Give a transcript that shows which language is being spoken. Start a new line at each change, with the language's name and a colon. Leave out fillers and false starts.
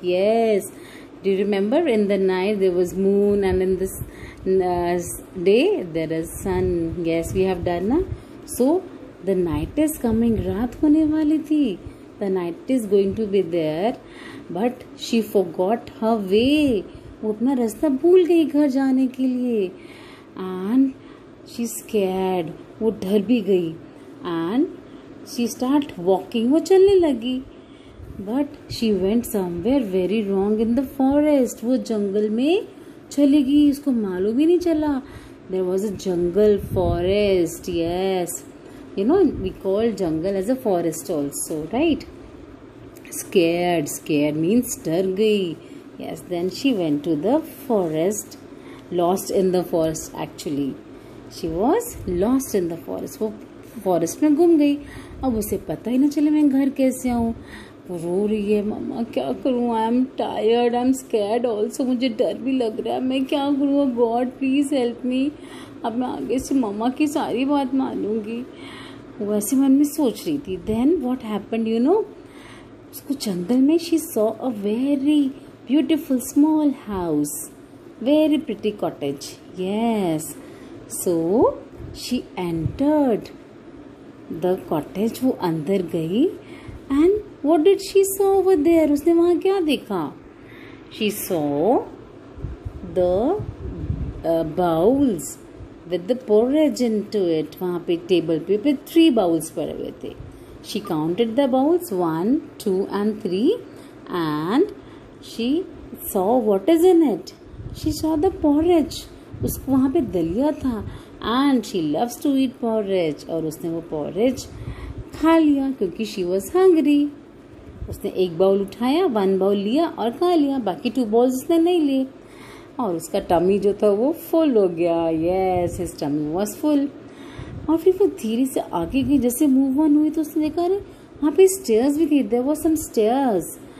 English: Yes, do you remember, in the night there was moon and in this day there is sun. Yes, we have done na. So the night is coming,
Hindi: raat hone wali thi,
English: the night is going to be there. But she forgot her way,
Hindi: wo apna rasta bhool gayi ghar jane ke liye,
English: and she scared,
Hindi: wo dar bhi gayi,
English: and she start walking,
Hindi: wo chalne lagi.
English: But she went somewhere very wrong in the forest,
Hindi: wo jungle mein चली गई, उसको मालूम ही नहीं चला.
English: There was a jungle forest. Yes, you know we call jungle as a forest also, right. Scared, scared means
Hindi: डर गई.
English: Yes, then she went to the forest, lost in the forest. Actually she was lost in the forest,
Hindi: वो forest में घूम गई. अब उसे पता ही ना चले मैं घर कैसे आऊँ. रो रही है, मामा क्या करूँ,
English: I am tired, I am scared also,
Hindi: मुझे डर भी लग रहा है, मैं क्या करूँ,
English: God please help me.
Hindi: अब मैं आगे से मामा की सारी बात मानूंगी, वैसे मन में सोच रही थी.
English: then what happened you know,
Hindi: उसको जंगल में
English: She saw a very beautiful small house, very pretty cottage. Yes, so she entered the cottage,
Hindi: वो अंदर गई.
English: And What did she saw over there?
Hindi: उसने वहाँ क्या देखा?
English: She saw the bowls with the porridge into it.
Hindi: वहाँ पे table पे थ्री बाउल्स पड़े हुए थे.
English: She counted the bowls, 1, 2, and 3, and she saw what is in it. She saw the porridge.
Hindi: उसको वहाँ पे दलिया था.
English: And she loves to eat porridge.
Hindi: और उसने वो पॉरेज खा लिया क्योंकि
English: she was hungry.
Hindi: उसने एक बाउल उठाया, वन बाउल लिया और खा लिया, बाकी टू बाउल्स उसने नहीं लिए, और उसका टमी जो था वो फुल हो गया.
English: Yes, his tummy was full.
Hindi: और फिर वो धीरे से आगे गई, जैसे मूव ऑन हुई तो उसने देखा अरे वहाँ पे स्टेयर्स भी थी,
English: There was some stairs.